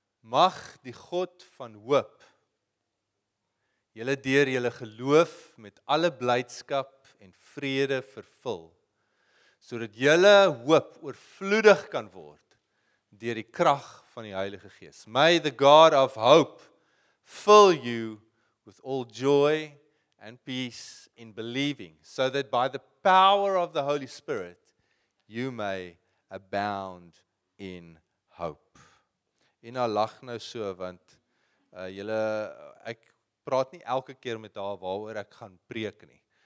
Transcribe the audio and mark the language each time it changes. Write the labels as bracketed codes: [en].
[af] Mag die God van hoop julle deur julle geloof met alle blydskap en vrede vervul, sodat julle hoop oorvloedig kan word deur die krag van die Heilige Gees. [en] May the God of hope fill you with all joy and peace in believing, so that by the power of the Holy Spirit you may abound in hope. [af] En nou lag nou so, want julle, ek praat nie elke keer met haar waaroor ek gaan preek nie.